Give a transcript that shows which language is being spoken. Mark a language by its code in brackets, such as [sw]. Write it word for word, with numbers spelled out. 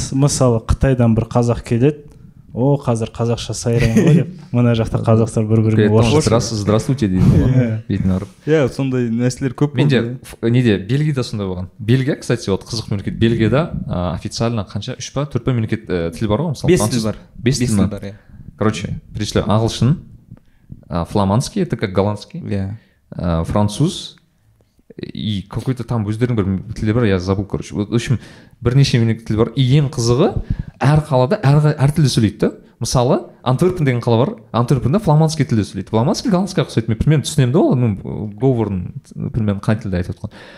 [kk] Мысалы, Қытайдан бір қазақ келеді. О, қазір қазақша сайран ғой деп. Мына жақта қазақтар бір-біріне орысша "Здравствуйте" дейді. Бетін арып. Иә, сондай нәрселер көп. Менде неде Бельгияда сондай болған. Бельгия, кстати, вот қызық мемлекет. Бельгияда официально қанша үш па, төрт па мемлекет тілі бар ғой, мысалы. Бес тіл бар. Бес тіл бар. [ru] Короче, перечисляю: ағылшын, фламандский, это как голландский. [en] Yeah. [ru] Француз и какой-то там [kk] өздерінің бір тілі бар, [ru] я забыл, короче. В общем, [kk] бірнеше мемлекет тілі бар. И ең қызығы, әр қалада әр әр тілде сөйлейді да. Мысалы, Антверпен деген қала бар. Антверпенде фламандский тілде сөйлейді. Фламандский голландскийға ұқсайды. Мен примерно түсінемін де ол, [ru] ну, говорын примерно [kk] қай тілде айтып отқан.